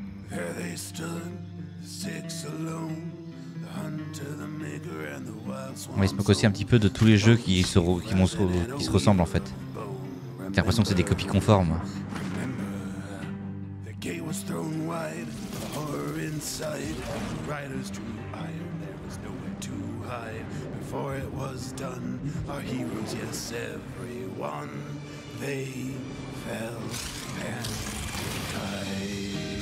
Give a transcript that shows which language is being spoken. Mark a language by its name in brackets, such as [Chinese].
[English] There they stood, six alone, the hunter, the maker, and the wild swan. [French] On va se moquer aussi un petit peu de tous les jeux qui se ressemblent en fait. J'ai l'impression que c'est des copies conformes. [English] The gate was thrown wide, the horror inside, the riders drew iron, there was nowhere to hide. Before it was done, our heroes, yes, everyone, they fell and died.